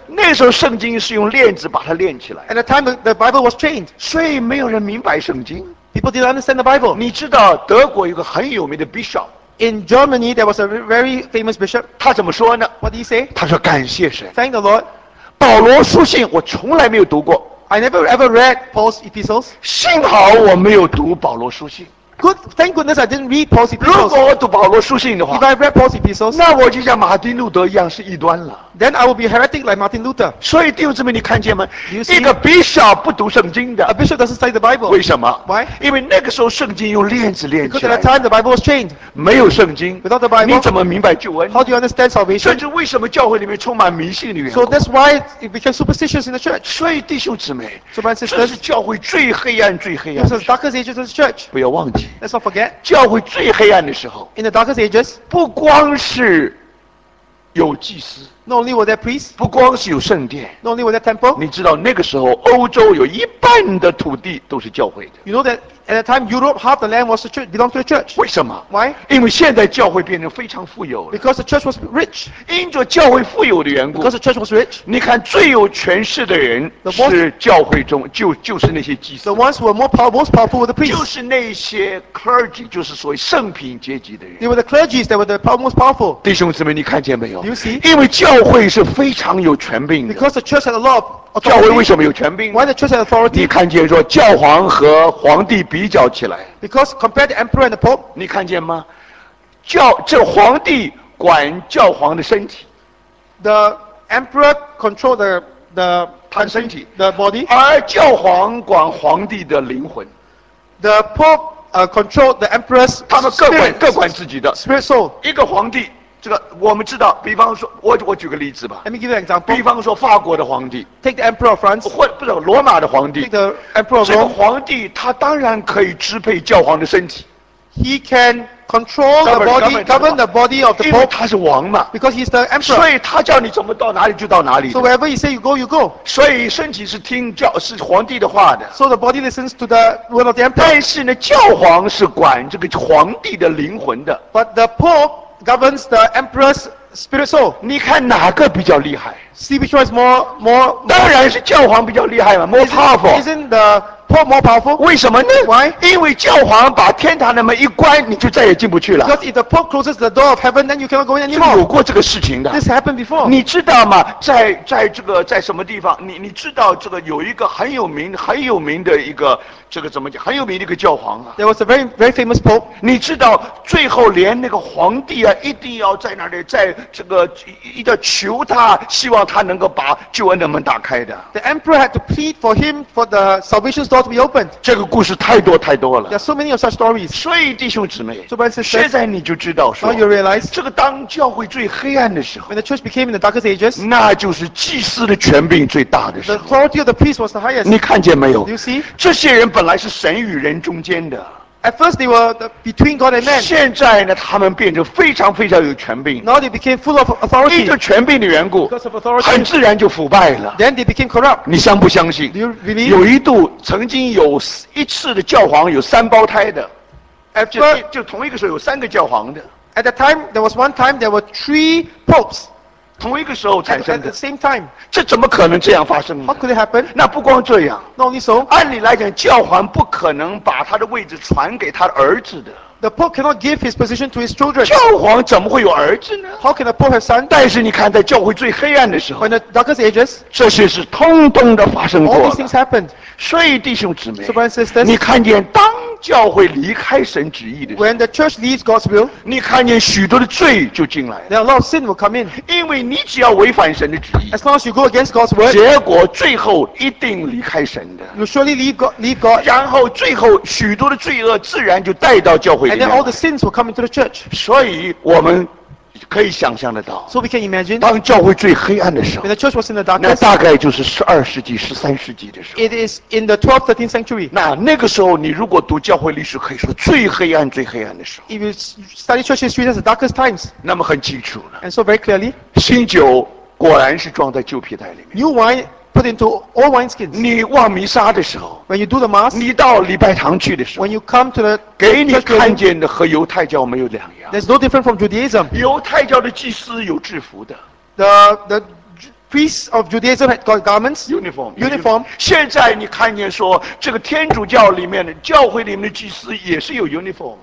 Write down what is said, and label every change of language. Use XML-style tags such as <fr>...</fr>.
<zh>那时候圣经是用链子把它链起来。</zh> <en>At the time the Bible was chained.</en> <zh>所以没有人明白圣经。</zh> <en>People didn't understand the Bible.</en> <zh>你知道德国有个很有名的 bishop。</zh> <en>In Germany, there was a very famous bishop.</en> <zh>他怎么说呢</zh> <en>What did he say?</en> <zh>他说感谢神</zh> <en>Thank the Lord.</en> <zh>保罗书信我从来没有读过</zh> <en>I never ever read Paul's epistles.</en> <zh>幸好我没有读保罗书信</zh> <en>Good, thank goodness I didn't read Paul's epistles.</en> <zh>如果我读保罗书信的话</zh> <en>If I read Paul's epistles,</en> <zh>那我就像马丁路德一样是异端了</zh> <en>Then I will be heretic like Martin Luther.</en> <zh>所以弟兄姊妹你看见吗一个 bishop 不读圣经的</zh> <en>A bishop doesn't study the Bible.</en> <zh>为什么</zh> <en>Why?</en> <zh>因为那个时候圣经用链子链起来</zh> <en>Because at that time the Bible was chained.</en> <zh>没有圣经</zh> <en>Without the Bible,</en> <zh>你怎么明白救恩</zh> <en>How do you understand salvation?</en> <zh>甚至为什么教会里面充满迷信的缘故</zh> <en>So that's why it became superstitious in the church.</en> <zh>所以弟兄姊妹</zh> <en>So my sisters,</en> <zh>这是教会最黑暗最黑暗</zh> <en>This is the darkest ages of the church.</en> <zh>不要忘记</zh> <en>Let's not forget.</en> <zh>教会最黑暗的时候</zh> <en>In the darkest ages,</en> <zh>不光是有祭司</zh> <en>Not only were there priests,</en> <zh>不光是有圣殿</zh> <en>Not only were there temple.</en> <zh>你知道那个时候欧洲有一半的土地都是教会的</zh> <en>You know that at that time Europe half the land was the church, belonged to the church.</en> <zh>为什么</zh> <en>Why?</en> <zh>因为现在教会变成非常富有了</zh> <en>Because the church was rich.</en> <zh>因着教会富有的缘故</zh> <en>Because the church was rich.</en> <zh>你看最有权势的人是教会中 就是那些祭司</zh> <en>The ones who were most powerful were the priests.</en> <zh>就是那些 clergy 就是所谓圣品阶级的人</zh> <en>They were the clergy that were the most powerful.</en> <zh>弟兄姊妹你看见没有</zh> <en>You see?</en> <zh>因为教会是非常有权柄的</zh> <en>Because the church had a lot of authority.</en> <zh>教会为什么有权柄</zh> <en>Why the church had authority?</en> <zh>你看见说教皇和皇帝比较起来</zh> <en>Because compared to the emperor and the pope</en> <zh>你看见吗这皇帝管教皇的身体</zh> <en>The emperor controlled the</en> <zh>他的身体</zh> <en>The body</en> <zh>而教皇管皇帝的灵魂</zh> <en>The pope controlled the emperor's spirit</en> <zh>他们各管自己的</zh> <en>spirit soul</en> <zh>一个皇帝这个我们知道比方说 我举个例子吧</zh> <en>Let me give you an example</en> <zh>比方说法国的皇帝</zh> <en>Take the emperor of France</en> <zh>或不是罗马的皇帝</zh> <en>Take the emperor of Rome</en> <zh>这个皇帝他当然可以支配教皇的身体</zh> <en>He can control the body govern the body of the pope</en> <zh>因为他是王嘛</zh> <en>Because he's the emperor</en> <zh>所以他叫你怎么到哪里就到哪里</zh> <en>So wherever he say you go, you go</en> <zh>所以身体是听教是皇帝的话的</zh> <en>So the body listens to the will of the emperor</en> <zh>但是呢教皇是管这个皇帝的灵魂的</zh> <en>But the popeGoverns the emperor's spirit soul.</en> <zh>你看哪个比较厉害</zh> <en>See which one is more</en> <zh>当然是教皇比较厉害嘛</zh> <en>More powerful. Isn't the pope more powerful?</en> <zh>为什么呢</zh> <en>Why?</en> <zh>因为教皇把天堂的门一关你就再也进不去了</zh> <en>Because if the pope closes the door of heaven then you cannot go in anymore.</en> <zh>有过这个事情的</zh> <en>This happened before.</en> <zh>你知道吗在这个在什么地方你知道这个有一个很有名的一个这个怎么讲很有名的一个教皇啊</zh> <en>There was a very, very famous pope.</en> <zh>你知道最后连那个皇帝啊一定要在那里在这个一定要求他希望他能够把救恩的门打开的</zh> <en>The emperor had to plead for him for the salvation's door to be opened.</en> <zh>这个故事太多太多了</zh> <en>There are so many of such stories.</en> <zh>所以弟兄姊妹</zh> <en>So my sisters,</en> <zh>现在你就知道说</zh> <en>Now you realize,</en> <zh>这个当教会最黑暗的时候</zh> <en>When the church became in the darkest ages,</en> <zh>那就是祭司的权柄最大的时候</zh> <en>The authority of the priest was the highest.</en> <zh>你看见没有</zh> <en>Do you see?</en> <zh>这些人本来是神与人中间的</zh> <en>At first they were the between God and man</en> <zh>现在呢他们变成非常非常有权柄</zh> <en>Now they became full of authority</en> <zh>因着权柄的缘故</zh> <en>Because of authority</en> <zh>很自然就腐败了</zh> <en>Then they became corrupt</en> <zh>你相不相信</zh> <en>Do you believe?</en> <zh>有一度曾经有一次的教皇有三胞胎的</zh> <en>At first</en> <zh>就同一个时候有三个教皇的</zh> <en>At that time there was one time there were three popes</en> <zh>同一个时候产生的</zh> <en>at the same time,</en> <zh>这怎么可能这样发生呢</zh> <en>How could it happen?</en> <zh>那不光这样</zh> <en>Not only so,</en> <zh>按理来讲教皇不可能把他的位置传给他儿子的</zh> <en>The Pope cannot give his position to his children</en> <zh>教皇怎么会有儿子呢</zh> <en>How can the Pope have son?</en> <zh>但是你看在教会最黑暗的时候</zh> <en>When the darkest ages</en> <zh>这些是通通的发生过</zh> <en>All these things happened</en> <zh>所以弟兄姊妹</zh> <en>So brothers and sisters</en> <zh>你看见当教会离开神旨意的时候</zh> <en>，When the church leaves God's will，</en> <zh>你看见许多的罪就进来了。</zh> <en>There are a lot of sin will come in，</en> <zh>因为你只要违反神的旨意</zh> <en>，As long as you go against God's will，</en> <zh>结果最后一定离开神的。</zh> <en>You surely leave God，</en> <zh>然后最后许多的罪恶自然就带到教会里面。</zh> <en>And then all the sins will come into the church。</en> <zh>所以我们可以想象得到</zh> <en>，So we can imagine，</en> <zh>当教会最黑暗的时候</zh> <en>，When the church was in the darkest，</en> <zh>那大概就是12世纪、13世纪的时候。</zh> <en>It is in the 12th, 13th century。</en> <zh>那个时候，你如果读教会历史，可以说最黑暗、最黑暗的时候。</zh> <en>If you study church history, that's the darkest times。</en> <zh>那么很清楚了。</zh> <en>And so very clearly，</en> <zh>新酒果然是装在旧皮袋里面。</zh> <en>New wine put into old wineskins。</en> <zh>你望弥撒的时候</zh> <en>，When you do the mass，</en> <zh>你到礼拜堂去的时候</zh> <en>，When you come to the，</en> <zh>给你看见的和犹太教没有两样。</zh> <en>There's no different from Judaism.</en> <zh>犹太教的祭司有制服的。</zh> <en>The priests of Judaism had got garments. Uniform. Uniform.</en> <zh>现在你看见说这个天主教里面的教会里面的祭司也是有 uniform.</zh>